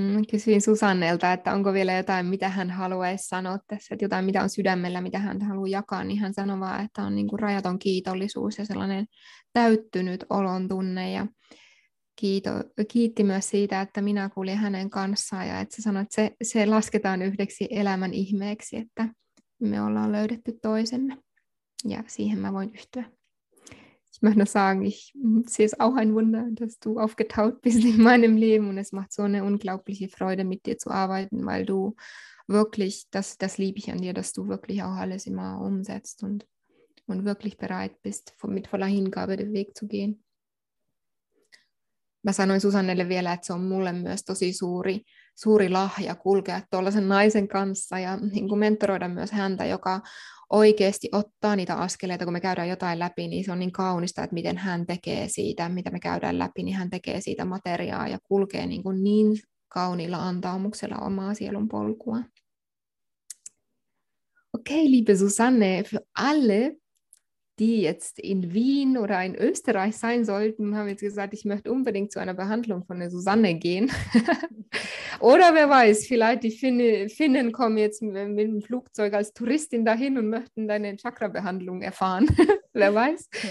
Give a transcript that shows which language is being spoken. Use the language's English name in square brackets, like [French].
[Finnish] Kysyin Susannelta, että onko vielä jotain, mitä hän haluaisi sanoa tässä, että jotain, mitä on sydämellä, mitä hän haluaa jakaa, niin hän sanoi vaan, että on niin kuin rajaton kiitollisuus ja sellainen täyttynyt olon tunne. Ja kiitti myös siitä, että minä kuulin hänen kanssaan ja että sanoi, että se lasketaan yhdeksi elämän ihmeeksi, että me ollaan löydetty toisemme ja siihen mä voin yhtyä. [German] Ich möchte sagen, es ist auch ein Wunder, dass du aufgetaucht bist in meinem Leben und es macht so eine unglaubliche Freude, mit dir zu arbeiten, weil du wirklich, das liebe ich an dir, dass du wirklich auch alles immer umsetzt und wirklich bereit bist, mit voller Hingabe den Weg zu gehen. [Finnish] Mä sanoin Susannelle vielä, että se on mulle myös tosi suuri lahja kulkea tuollaisen naisen kanssa ja niin kuin mentoroida myös häntä, joka oikeasti ottaa niitä askeleita, kun me käydään jotain läpi, niin se on niin kaunista, että miten hän tekee siitä, mitä me käydään läpi, niin hän tekee siitä materiaa ja kulkee niin kuin niin kauniilla antaumuksella omaa sielun polkua. [German] Okay, liebe Susanne, für alle, die jetzt in Wien oder in Österreich sein sollten, haben jetzt gesagt, ich möchte unbedingt zu einer Behandlung von der Susanne gehen. Oder wer weiß, vielleicht die Finnen kommen jetzt mit dem Flugzeug als Touristin dahin und möchten deine Chakra-Behandlung erfahren. Wer weiß.